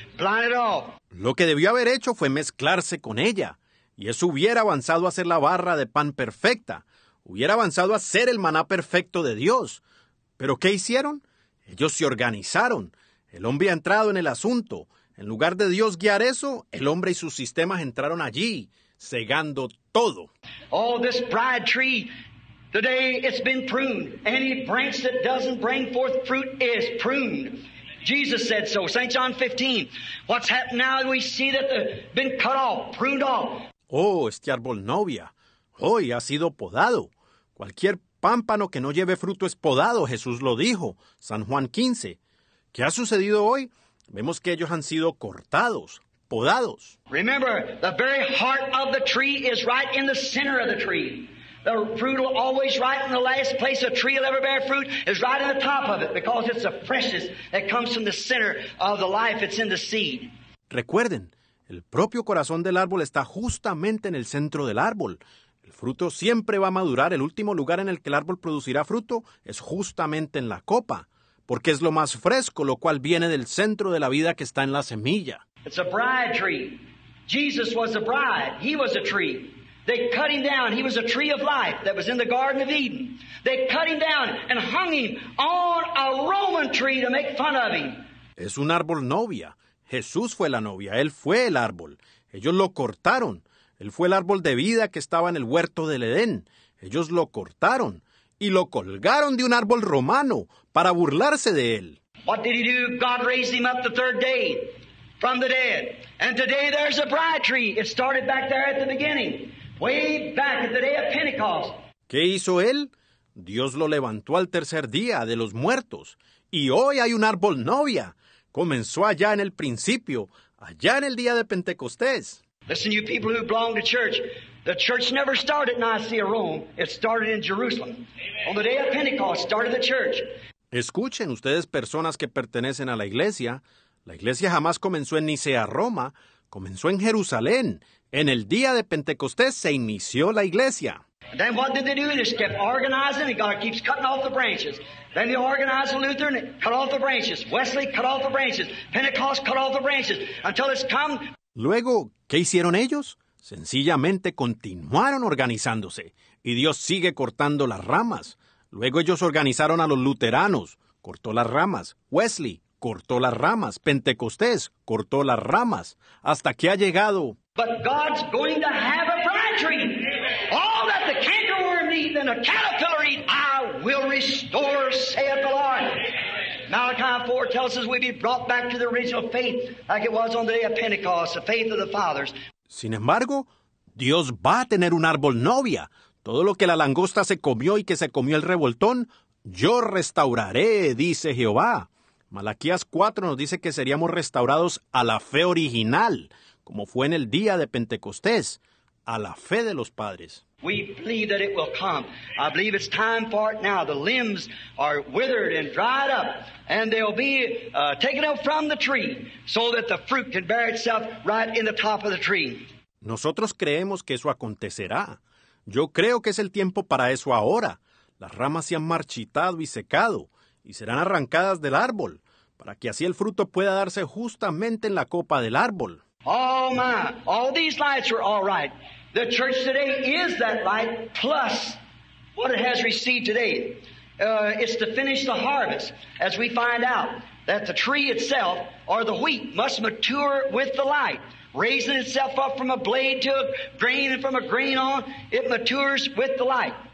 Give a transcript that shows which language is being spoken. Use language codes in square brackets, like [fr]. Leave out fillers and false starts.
[en] Blind it all. [es] Lo que debió haber hecho fue mezclarse con ella. Y eso hubiera avanzado a ser la barra de pan perfecta. Hubiera avanzado a ser el maná perfecto de Dios. ¿Pero qué hicieron? Ellos se organizaron. El hombre ha entrado en el asunto. En lugar de Dios guiar eso, el hombre y sus sistemas entraron allí, cegando todo. [en] Oh, this bride tree, today it's been pruned. Any branch that doesn't bring forth fruit is pruned. Jesus said so, St. John 15. What's happened now, we see that they've been cut off, pruned off. [es] Oh, este árbol novia, hoy ha sido podado. Cualquier pámpano que no lleve fruto es podado, Jesús lo dijo, San Juan 15. ¿Qué ha sucedido hoy? Vemos que ellos han sido cortados, podados. [en] Remember, the very heart of the tree is right in the center of the tree. The fruit will always right in the last place a tree will ever bear fruit is right in the top of it because it's the freshest that comes from the center of the life. It's in the seed. [es] Recuerden, el propio corazón del árbol está justamente en el centro del árbol. El fruto siempre va a madurar. El último lugar en el que el árbol producirá fruto es justamente en la copa, porque es lo más fresco, lo cual viene del centro de la vida que está en la semilla. [en] It's a bride tree. Jesus was a bride. He was a tree. They cut him down. He was a tree of life that was in the Garden of Eden. They cut him down and hung him on a Roman tree to make fun of him. [es] Es un árbol novia. Jesús fue la novia. Él fue el árbol. Ellos lo cortaron. Él fue el árbol de vida que estaba en el huerto del Edén. Ellos lo cortaron y lo colgaron de un árbol romano para burlarse de él. [en] What did he do? God raised him up the third day from the dead. And today there's a bride tree. It started back there at the beginning, way back at the day of Pentecost. [es] ¿Qué hizo él? Dios lo levantó al tercer día de los muertos. Y hoy hay un árbol novia. Comenzó allá en el principio, allá en el día de Pentecostés. [en] Listen, you people who belong to church, the church never started in Nicaea, Rome. It started in Jerusalem. Amen. On the day of Pentecost, started the church. [es] Escuchen, ustedes personas que pertenecen a la iglesia jamás comenzó en Nicea, Roma, comenzó en Jerusalén. En el día de Pentecostés se inició la iglesia. [en] Then what did they do? They just kept organizing, and God keeps cutting off the branches. Then they organized the Lutheran, cut off the branches. Wesley cut off the branches. Pentecost cut off the branches. Until it's come. [es] Luego, ¿qué hicieron ellos? Sencillamente continuaron organizándose, y Dios sigue cortando las ramas. Luego ellos organizaron a los luteranos, cortó las ramas. Wesley cortó las ramas. Pentecostés cortó las ramas. Hasta que ha llegado. [en] But God's going to have a bride tree. All that the cankerworm eat and a caterpillar eat, I will restore, saith the Lord. Malachi 4 tells us we'll be brought back to the original faith like it was on the day of Pentecost, the faith of the fathers. [es] Sin embargo, Dios va a tener un árbol novia. Todo lo que la langosta se comió y que se comió el revoltón, yo restauraré, dice Jehová. Malaquías 4 nos dice que seríamos restaurados a la fe original, como fue en el día de Pentecostés, a la fe de los padres. [en] We believe that it will come. I believe it's time for it now. The limbs are withered and dried up, and they'll be taken up from the tree so that the fruit can bear itself right in the top of the tree. [es] Nosotros creemos que eso acontecerá. Yo creo que es el tiempo para eso ahora. Las ramas se han marchitado y secado, y serán arrancadas del árbol, para que así el fruto pueda darse justamente en la copa del árbol. [en] Oh, my. All these lights are all right. The church today is that light, plus what it has received today. It's to finish the harvest, as we find out that the tree itself, or the wheat, must mature with the light. Raising itself up from a blade to a grain, and from a grain on, it matures with the light.